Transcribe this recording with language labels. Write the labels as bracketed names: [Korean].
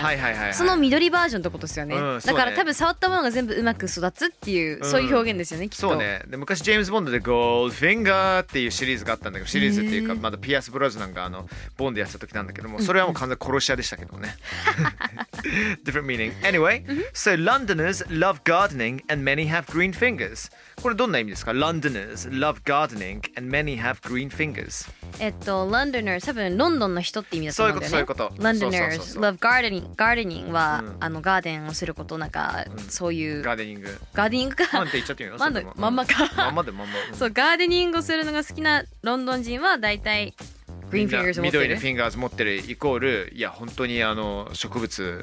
[Japanese] はいはいはい、その緑バージョンってことですよね、うん、だから多分触ったものが全部うまく育つっていう、うん、そういう表現ですよね、きっと。そうね。で昔ジェームズ・ボンドでゴールフィンガーっていうシリーズがあったんだけど、シリーズっていうかまだピアス・ブロズなんかあのボンドやった時なんだけども、それはもう完全に殺し屋でしたけどね。 [English] Different meaning. Anyway, so Londoners love gardening and many have green fingers. [Japanese] これどんな意味ですか？ [English] Londoners love gardening and many have green fingers. [Japanese] Londoners, 多分ロンドンの人って意味だと思うんだよね。そういうこと、そういうこと。 [English] Londoners love gardening. [Japanese] Gardening は、うん、あのガーデンをすること、なんか、うん、そういう。ガーデニング。ガーデニングか。なんて言っちゃってるよ。まんまか。まんまでまんま。そう、ガーデニングをするのが好きなロンドン人は大体。緑のフィンガーズ持ってるイコール、いや本当にあの植物